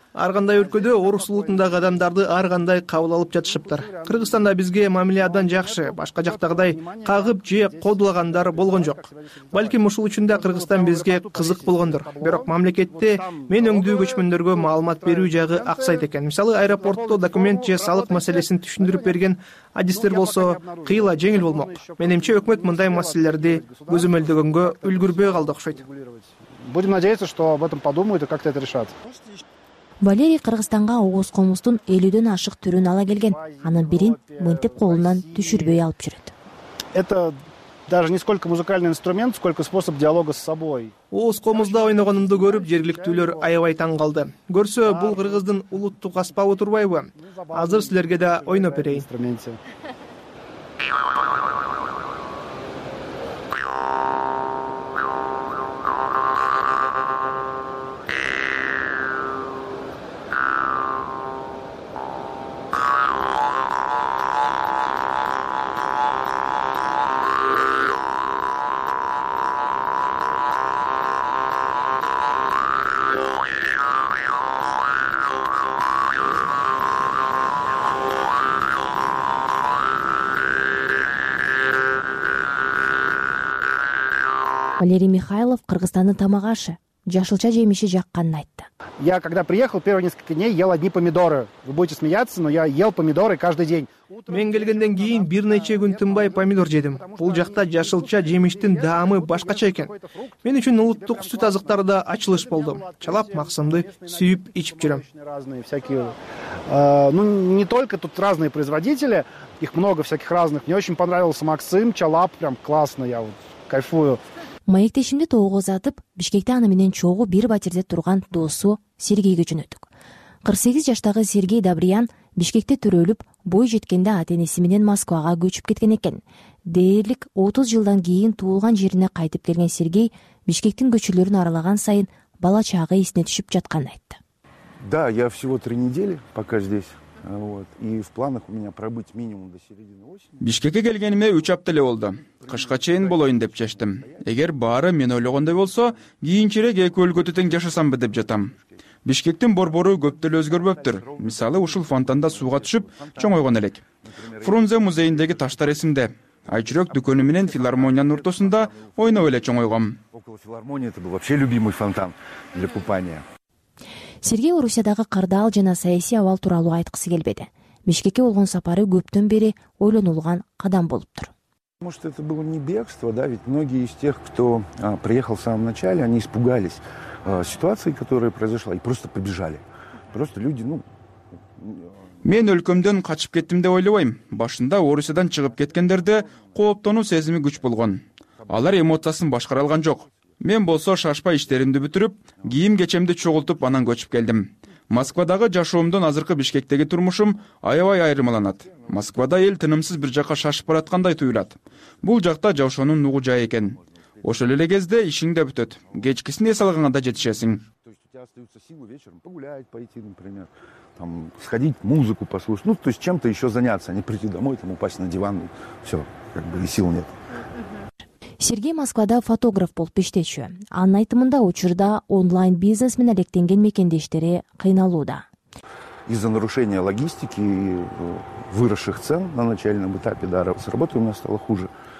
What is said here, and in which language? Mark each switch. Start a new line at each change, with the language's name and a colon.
Kyrgyz: Ар кандай өлкөдө орус улутундагы адамдарды ар кандай кабыл алып жатышыптыр. Кыргызстанда бизге мамиле абдан жакшы, башка жактагыдай кагып же кодулагандар болгон жок. Балким ушул үчүн да Кыргызстан бизге кызык болгондур. Бирок мамлекетте мен өңдүү көчмөндөргө маалымат берүү жагы аксайт экен. Мисалы, аэропортто документ же салык маселесин түшүндүрүп берген адистер болсо, кыйла жеңил болмок. Менимче өкмөт мындай маселелерди көзөмөлдөгөнгө үлгүрбөй калды окшойт.
Russian: Будем надеяться, что об этом подумают и как-то это решат.
Kyrgyz: Валерий Кыргызстанга ооз комустун 50 ашык түрүн ала келген. Анын бирин мынтип колунан түшүрбөй алып жүрөт.
Russian: Это даже не сколько музыкальный инструмент, сколько способ диалога с собой.
Kyrgyz: Ооз комузда ойногонумду көрүп, жергиликтүүлөр аябай таң калды. Көрсө, бул кыргыздын улуттук аспабы турбайбы? Азыр силерге да ойноп берейин.
English: Thank you.
Kyrgyz: Валерий Михайлов Кыргызстандын тамагашы, жашылча жемиши жакканын айтты.
Russian: Я когда приехал первые несколько дней, ел одни помидоры. Вы будете смеяться, но я ел помидоры каждый день.
Kyrgyz: Мен келгенден кийин бир нече күн тынбай помидор жедим. Бул жакта жашылча жемиштин даамы башкача экен. Мен үчүн улуттук сүт азыктары да ачылыш болду. Чалап максымды сүйүп ичип жүрөм.
Russian: Ну не только тут разные производители, их много всяких разных. Мне очень понравился Максим, Чалап, прям классно, я вот кайфую.
Kyrgyz: Маектешимди тоого узатып, Бишкекте аны менен чогу бир батирде турган досу Сергейге жөнөттүк. 48 жаштагы Сергей Добриян Бишкекте төрөлүп, бой жеткенде ата-энеси менен Москвага көчүп кеткен экен. Дээрлик 30 жылдан кийин туулган жерине кайтып келген Сергей Бишкектин көчөлөрүн аралаган сайын бала чагы эсине түшүп жатканын айтты.
Russian: Да, я всего 3 недели пока здесь. Вот. И в планах у меня пробыть минимум до середины осени.
Kyrgyz: Бишкекке келгениме 3 апта эле болду. Кышка чейин болоюн деп чечтим. Эгер баары мен ойлогондой болсо, кийинчерээк эки өлкөдө тең жашасамбы деп жатам. Бишкектин борбору көп деле өзгөрбөптүр. Мисалы, ушул фонтанда сууга түшүп, чоңойгон элек. Фрунзе музейиндеги таштар эсимде. Айчүрөк дүкөнү менен филармониянын ортосунда ойноп эле чоңойгом.
Russian: Около филармонии это был вообще любимый фонтан для купания.
Kyrgyz: Сергей Орусиядагы кардаал жана саясий абал тууралуу айткысы келбеди. Бишкекке болгон сапары көптөн бери ойлонулган кадам болуптур.
Russian: Может, это было не бегство, да, ведь многие из тех, кто приехал в самом начале, они испугались ситуации, которая произошла, и просто побежали. Просто люди, ну...
Kyrgyz: Мен өлкөмдөн качып кеттим деп ойлобойм. Башында Орусиядан чыгып кеткендерде кооптонуу сезими күч болгон. Алар эмоциясын башкара алган жок. Мен болсо шашпай иштеримди бүтүрүп, кийим кечемди чогултуп анан көчүп келдим. Москвадагы жашоомдон азыркы Бишкектеги турмушум аябай айырмаланат. Москвада эл тынымсыз бир жака шашып бараткандай туюлат. Бул жакта жашоонун нугу жай экен. Ошол эле кезде ишиң да бүтөт. Кечкисин эс алганга да жетишесиң.
Russian: То есть у тебя остаются силы вечером погулять, пойти, например, там сходить музыку послушать. Ну, то есть чем-то еще заняться, а не прийти домой, там упасть на диван, все, как бы и сил нет.
Kyrgyz: Сергей Москвада фотограф болуп иштечү. Анын айтымында учурда онлайн бизнес менен алектенген мекендештери кыйналууда.
Russian: Из-за нарушения логистики и выросших цен на начальном этапе, да, с работой у меня стало хуже.